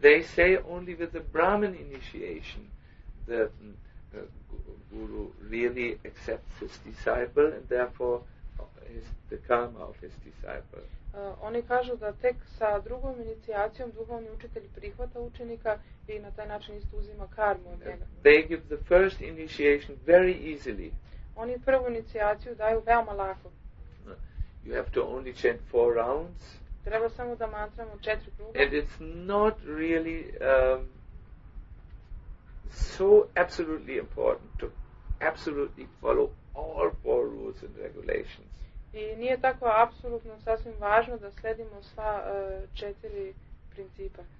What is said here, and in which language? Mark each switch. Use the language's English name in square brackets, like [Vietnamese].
[English] They say only with the Brahman initiation the guru really accepts his disciple and therefore is the karma of his disciple. [Serbian] Oni kažu da tek sa drugom inicijacijom duhovni učitelj prihvata učenika i na taj način isto uzima karmu od njega. [English] They give the first initiation very easily. [Serbian] Oni prvu inicijaciju daju veoma lako. [English] You have to only chant four rounds. [Serbian] Treba samo da mantramo četiri kruga. [English] And it's not really so absolutely important to absolutely follow all four rules and regulations. [Serbian] I nije tako apsolutno sasvim važno da sledimo sva četiri principa.